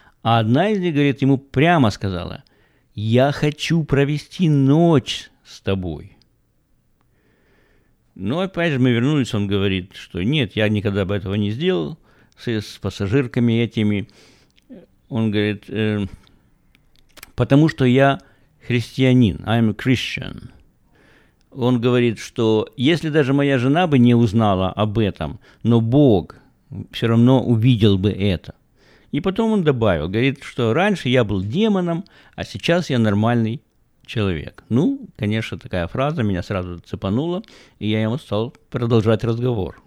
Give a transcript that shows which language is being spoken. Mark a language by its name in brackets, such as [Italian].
[Russian] А одна из них, говорит, ему прямо сказала, я хочу провести ночь с тобой. Ну, опять же, мы вернулись, он говорит, что нет, я никогда бы этого не сделал с пассажирками этими. Он говорит, потому что я... христианин, [English] I'm a Christian. [Russian] Он говорит, что если даже моя жена бы не узнала об этом, но Бог все равно увидел бы это. И потом он добавил, говорит, что раньше я был демоном, а сейчас я нормальный человек. Ну, конечно, такая фраза меня сразу цепанула, и я ему стал продолжать разговор.